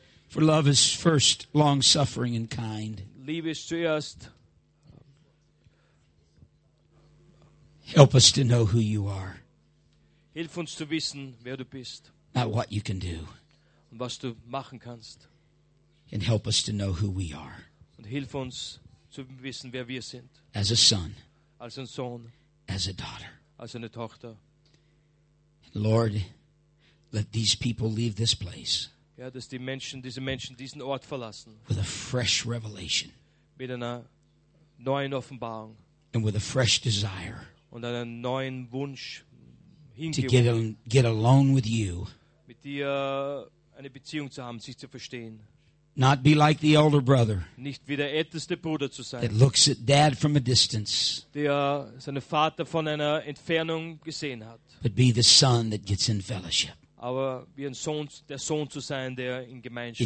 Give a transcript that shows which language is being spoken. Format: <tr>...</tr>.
<en>For love is first long-suffering and kind.</en> <de>Liebe ist zuerst.</de> <en>Help us to know who you are.</en> <de>Hilf uns zu wissen, wer du bist.</de> <en>not what you can do.</en> <de>Und was du machen kannst.</de> <en>And help us to know who we are.</en> <de>Und hilf uns zu wissen, wer wir sind.</de> <en>As a son.</en> <de>Als ein Sohn.</de> <en>As a daughter.</en> <de>Als eine Tochter.</de> <en>Lord, let these people leave this place.</en> <de>Ja, dass die Menschen, diese Menschen diesen Ort verlassen.</de> <en>With a fresh revelation.</en> <de>Mit einer neuen Offenbarung.</de> <en>And with a fresh desire.</en> <de>Und einen neuen Wunsch.</de> <en>To get alone with you.</en> <de>Mit dir eine Beziehung zu haben, sich zu verstehen.</de> <en>Not be like the elder brother.</en> <de>Nicht wie der älteste Bruder zu sein.</de> <en>That looks at dad from a distance.</en> <de>Der seinen Vater von einer Entfernung gesehen hat.</de> <en>But be the son that gets in fellowship.</en> <de>Aber wie ein Sohn, der Sohn zu sein, der in Gemeinschaft.</de>